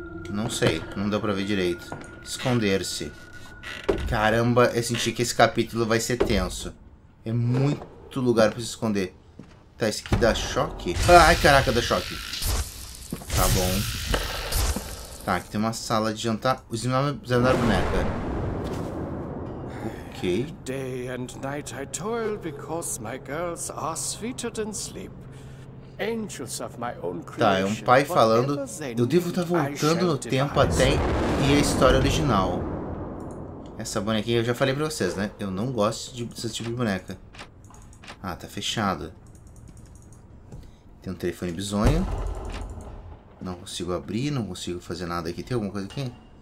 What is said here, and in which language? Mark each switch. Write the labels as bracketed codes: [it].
[pt] Não sei, não deu pra ver direito. Esconder-se. Caramba, eu senti que esse capítulo vai ser tenso. É muito lugar pra se esconder. Tá, esse aqui dá choque? Ai, caraca, dá choque. Tá bom. Tá, aqui tem uma sala de jantar. O examinar a boneca. Ok. [en] Day and night I toil because my girls are sweeter than sleep. Angels of my own creation. [pt] Tá, é um pai falando. Eu devo estar voltando no tempo até e a história original. Essa bonequinha eu já falei pra vocês, né? Eu não gosto desse tipo de boneca. Ah, tá fechado. Tem um telefone bizonho. Não consigo abrir, não consigo fazer nada aqui. Tem alguma coisa aqui?